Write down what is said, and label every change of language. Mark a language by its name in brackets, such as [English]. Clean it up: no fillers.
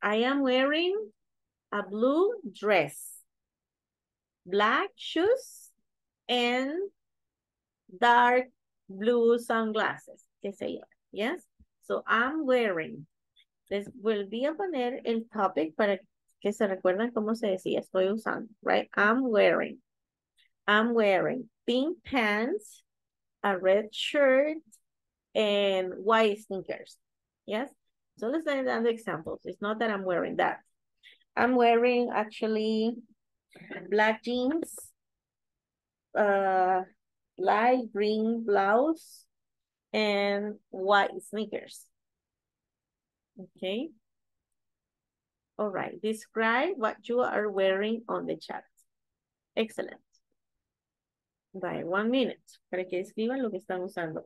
[English] I am wearing a blue dress, black shoes, and dark blue sunglasses. [Spanish] ¿Qué sé yo? [English] Yes? So I'm wearing. [Spanish] Les volví a poner el topic para que se recuerden cómo se decía. Estoy usando, right? [English] I'm wearing pink pants, a red shirt, and white sneakers. Yes? So let's say the examples. It's not that I'm wearing that. I'm wearing actually black jeans, light green blouse, and white sneakers. Okay? All right. Describe what you are wearing on the chat. Excellent. By 1 minute, [Spanish] para que escriban lo que están usando.